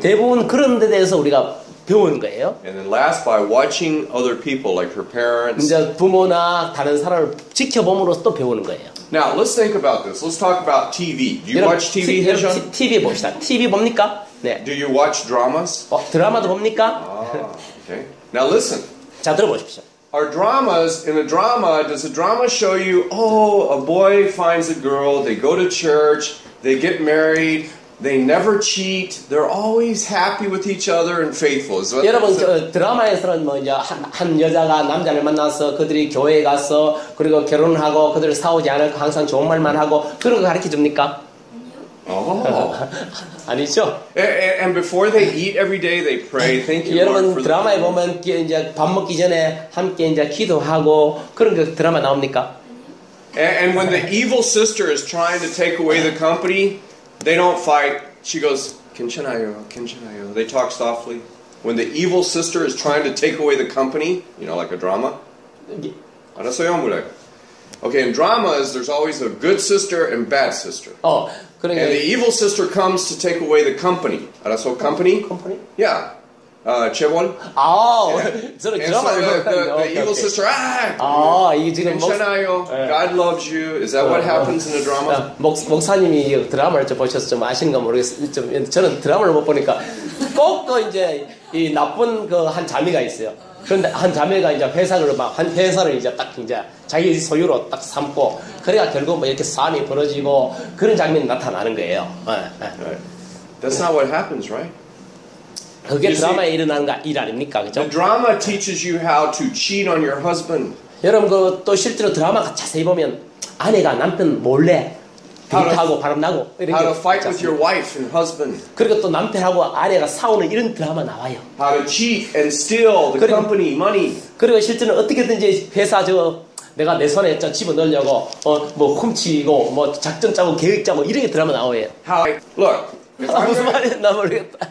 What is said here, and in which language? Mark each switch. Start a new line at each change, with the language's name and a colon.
Korean: 대부분 그런 데 대해서 우리가 배우는 거예요.
English: And then last, by watching other people, like her parents.
Korean: 이제 부모나 다른 사람을 지켜봄으로 또 배우는 거예요.
English: Now, let's think about this. Let's talk about TV. Do you watch TV, Hyejeon?
Korean: TV 봅시다. TV 봅니까? 네.
English: Do you watch dramas?
Korean: 드라마도 봅니까?
English: Okay. Now, listen.
Korean: 자, 들어보십시오.
English: Our dramas, in a drama, does a drama show you, oh, a boy finds a girl, they go to church, they get married, they never cheat, they're always happy with each other and faithful.
Korean: 여러분, 드라마에서는 뭐 이제 한 여자가 남자를 만나서 그들이 교회에 가서 그리고 결혼하고 그들을 싸우지 않을까 항상 좋은 말만 하고 그런 거 가르쳐 줍니까? 아니죠.
English: And before they eat every day, they pray. Thank you.
Korean: 여러분 드라마에 보면 이제 밥 먹기 전에 함께 이제 기도하고 그런 거 드라마 나옵니까?
English: And when the evil sister is trying to take away the company, they don't fight. She goes,
Korean: 괜찮아요, 괜찮아요.
English: They talk softly. When the evil sister is trying to take away the company, you know, like a drama.
Korean: 알았어요, 뭐래?
English: Okay, in dramas, there's always a good sister and bad sister. Oh. And the evil sister comes to take away the company.
Korean: 알았어? Company?
English: Company? Yeah.
Korean: 재벌? 아, 저는 드라마를 봤다.
English: The evil sister, 아!
Korean: 아, 이게 지금 괜찮아요.
English: God loves you. Is that what happens in a drama?
Korean: 목사님이 드라마를 좀 보셔서 좀 아시는가 모르겠어요. 저는 드라마를 못 보니까 꼭 또 이제 이 나쁜 그 한 자매가 있어요. 그런데 한 자매가 이제 회사를 이제 딱 이제 자기 소유로 딱 삼고 그래가 결국 뭐 이렇게 싸움이 벌어지고 그런 장면이 나타나는 거예요.
English: Right. That's not what happens, right?
Korean: 그게 드라마에 일어나는 일 아닙니까, 그죠?
English: The drama teaches you how to cheat on your husband.
Korean: 여러분 그 또 실제로 드라마 자세히 보면 아내가 남편 몰래 비타하고 바람 나고 이런 게
English: How to fight with your wife and husband.
Korean: 그리고 또 남편하고 아내가 싸우는 이런 드라마 나와요.
English: How to cheat and steal the company money.
Korean: 그리고 실제는 어떻게든지 회사 저 내가 내 손에 저 집어넣으려고 뭐 훔치고 뭐 작전 짜고 계획 짜고 이런 게 드라마 나와요.
English: How? Look.
Korean: 아, 무슨 말이나 모르겠다.